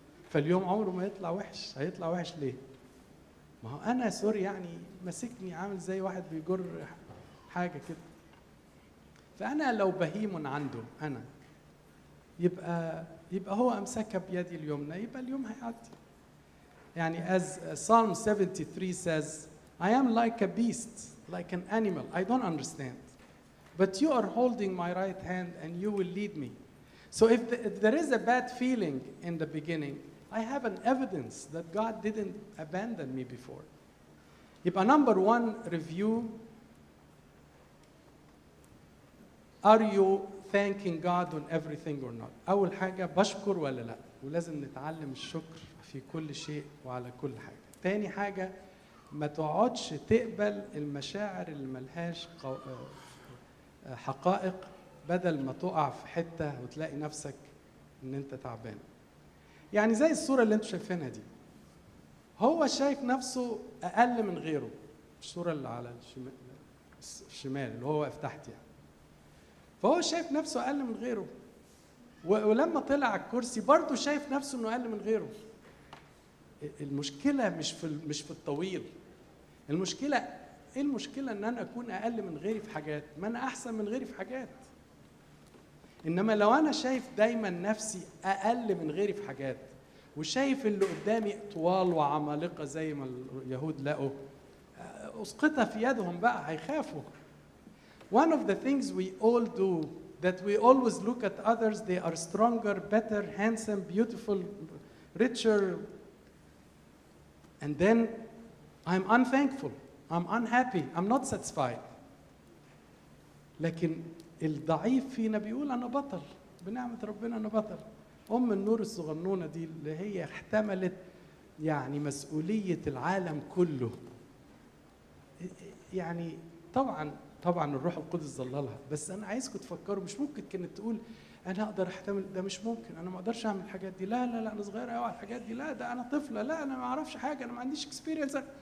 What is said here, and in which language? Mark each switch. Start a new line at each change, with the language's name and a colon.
Arabic: فاليوم عمره ما يطلع وحش. هيطلع وحش ليه؟ ما هو انا سوري يعني مسكني عامل زي واحد بيجر حاجه كده. فانا لو بهيم عنده انا، يبقى هو امسكها بيدي اليمنى، يبقى اليوم هيعدي.
English: يعني as Psalm 73 says, I am like a beast, like an animal, I don't understand, but you are holding my right hand and you will lead me. So if there is a bad feeling in the beginning, I have an evidence that God didn't abandon me before. يبقى number one review, are you thanking God on everything or not?
Arabic: أول حاجة بشكر ولا لا، ولازم نتعلم الشكر في كل شيء وعلى كل حاجة. تاني حاجة ما تقعدش تقبل المشاعر اللي ملهاش حقائق، بدل ما تقع في حتة وتلاقي نفسك ان انت تعبان. يعني زي الصورة اللي انتوا شايفينها دي، هو شايف نفسه اقل من غيره. الصورة اللي على الشمال اللي هو افتحت يعني، فهو شايف نفسه أقل من غيره، ولما طلع على الكرسي برضه شايف نفسه أنه أقل من غيره. المشكلة مش في الطويل، المشكلة إيه؟ المشكلة أن أنا أكون أقل من غيري في حاجات، ما أنا أحسن من غيري في حاجات. إنما لو أنا شايف دايماً نفسي أقل من غيري في حاجات، وشايف اللي قدامي طوال وعمالقة زي ما اليهود لقوا، أسقطها في يدهم بقى، هيخافوا.
English: One of the things we all do, that we always look at others, they are stronger, better, handsome, beautiful, richer. And then I'm unthankful, I'm unhappy, I'm not satisfied.
Arabic: لكن الضعيف فينا بيقول أنا بطل، بنعمة ربنا أنا بطل. أم النور الصغنونة دي اللي هي احتملت يعني مسؤولية العالم كله. يعني طبعا طبعا الروح القدس ظللها، بس أنا عايزكم تفكروا، مش ممكن كانت تقول أنا أقدر احتمل ده؟ مش ممكن، أنا ما أقدرش أعمل الحاجات دي، لا لا لا أنا صغيرة أوي على الحاجات دي، لا ده أنا طفلة، لا أنا ما أعرفش حاجة، أنا ما عنديش إكسبيرينس.